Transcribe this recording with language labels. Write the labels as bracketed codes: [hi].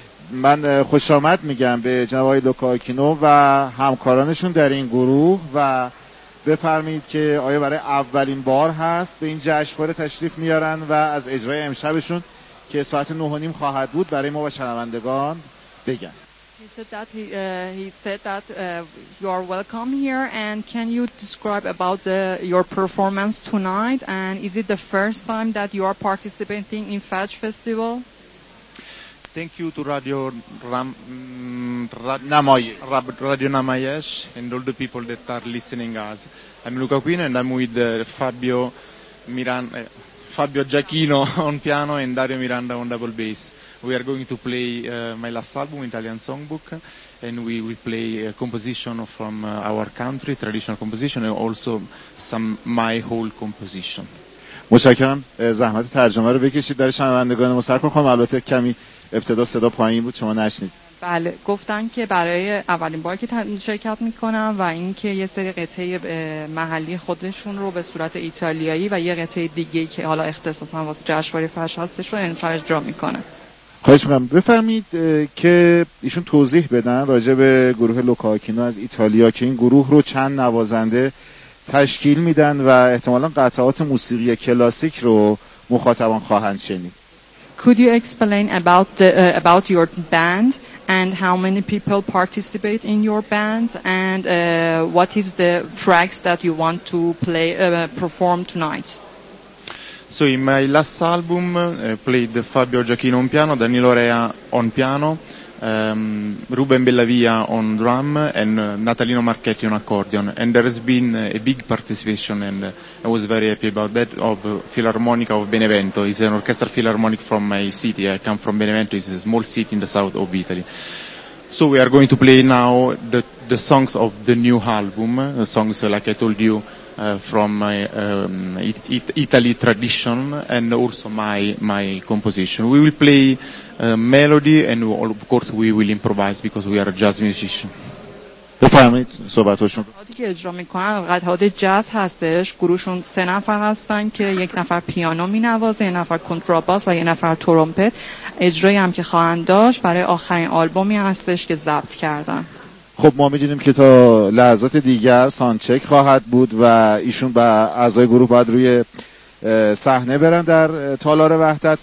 [fa] من خوش آمد میگم به جناب آقای لوکا آکینو و همکارانشون در این گروه، و بفرمایید که آیا برای اولین بار هست به این جشنواره تشریف میارن و از اجرای امشبشون که ساعت 9:30 خواهد بود برای ما و شنوندگان بگن. [en] He said that you are welcome here, and can you describe about your performance tonight, and is it the first time that you are participating in Fajr Festival? Thank you to Radio Namayesh and all the people that are listening us. I'm Luca Quino and I'm with Fabio Giacchino on piano and Dario Miranda on double bass. We are going to play my last album, Italian Songbook, and we will play a composition from our country, traditional composition, and also some my whole composition. [fa] متشکرم. زحمت ترجمه رو بکشید برای شنوندگان ما. سرکار خانم، البته کمی ابتدا صدا پایین بود، شما نشنید. بله، گفتن که برای اولین بار که شرکت میکنم و اینکه یه سری قطعه محلی خودشون رو به صورت ایتالیایی و یه قطعه دیگه که حالا اختصاصا واسه جشنواره فجر هستش رو انفجار اجرا میکنه. خواهش میکنم بفهمید که ایشون توضیح بدن راجع به گروه لوکاکینو از ایتالیا که این گروه رو چند نوازنده تشکیل میدن و احتمالاً قطعات موسیقی کلاسیک رو مخاطبان خواهند شنید. [en] Could you explain about about your band and how many people participate in your band and what is the tracks that you want to play perform tonight? So in my last album played Fabio Giacchino on piano, Danilo Rea on piano, Ruben Bellavia on drum and Natalino Marchetti on accordion, and there has been a big participation and I was very happy about that of Philharmonica of Benevento. It's an orchestra philharmonic from my city. I come from Benevento, it's a small city in the south of Italy. So we are going to play now the songs of the new album, the songs like I told you from my Italy tradition and also my composition. We will play melody and of course we will improvise because we are a jazz musician. [fa] بفرمایید صحبتاشون. قطعاتی که اجرا میکنن قطعات جاز هستش. گروهشون سه نفر هستن که یک نفر پیانو مینوازه، یک نفر کنتراباس و یک نفر ترومپت. اجرایی هم که خواهند داشت برای آخرین آلبومی هستش که ضبط کردن. خب ما میدونیم که تا لحظات دیگر سانچک خواهد بود و ایشون با اعضای گروه باید روی صحنه برن در تالار وحدت.